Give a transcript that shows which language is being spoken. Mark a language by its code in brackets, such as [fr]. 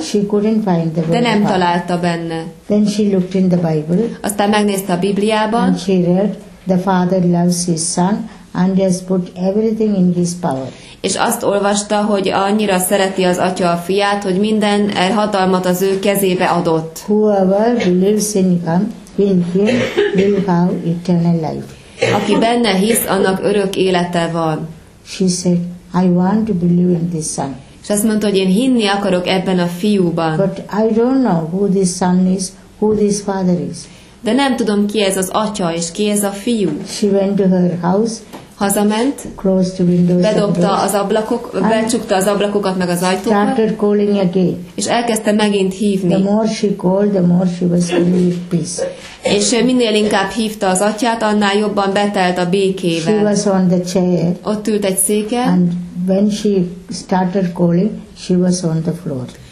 [en] She couldn't find the. [hu] De nem találta benne. [en] Then she looked in the Bible. [hu] Aztán megnézte a Bibliában. [en] And she read, the father loves his son and has put everything in his power. [hu] És azt olvasta, hogy annyira szereti az atya a fiát, hogy minden hatalmat az ő kezébe adott. [en] Whoever believes in him, will have eternal life. [hu] Aki benne hisz, annak örök élete van. [en] She said, I want to believe in this son. [hu] És azt mondta, hogy én hinni akarok ebben a fiúban. [en] But I don't know who this son is, who this father is. [hu] De nem tudom, ki ez az atya és ki ez a fiú. [en] She went to her house. [hu] Hazament, bedobta az ablakok, becsukta az ablakokat meg az ajtókat, és elkezdte megint hívni. [en] The more she called, the more she was really at peace. [hu] És minél inkább hívta az atyát, annál jobban betelt a békével. [en] She was on the chair. [hu] Ott ült egy széken. [en] And when she started calling, she was on the floor.